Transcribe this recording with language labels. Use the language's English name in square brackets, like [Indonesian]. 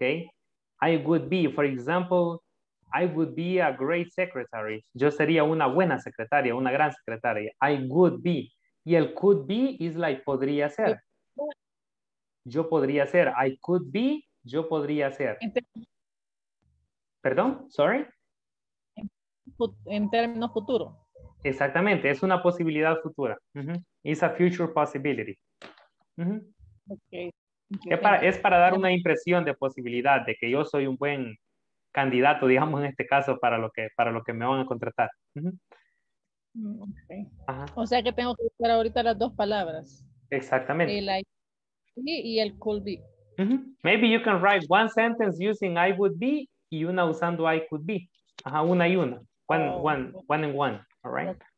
[English] I would be, for example, I would be a great secretary. [Spanish] Yo sería una buena secretaria, una gran secretaria. [English] I would be. [Spanish] Y el [English] could be is like [Spanish] podría ser. Yo podría ser. [English] I could be, [Spanish] yo podría ser. ¿Perdón? [English] ¿Sorry? [Spanish] En términos futuros. Exactamente, es una posibilidad futura. Uh-huh. [English] It's a future possibility. Uh-huh. Okay. [Spanish] Es para dar una impresión de posibilidad de que yo soy un buen candidato, digamos en este caso, para lo que me van a contratar. Uh-huh. Okay. Ajá. O sea que tengo que usar ahorita las dos palabras. Exactamente. El [English] I could be [Spanish] y el [English] could be. Uh-huh. Maybe you can write one sentence using I would be [Spanish] y una usando [English] I could be. [Spanish] Ajá, una y una. [English] One and one. All right.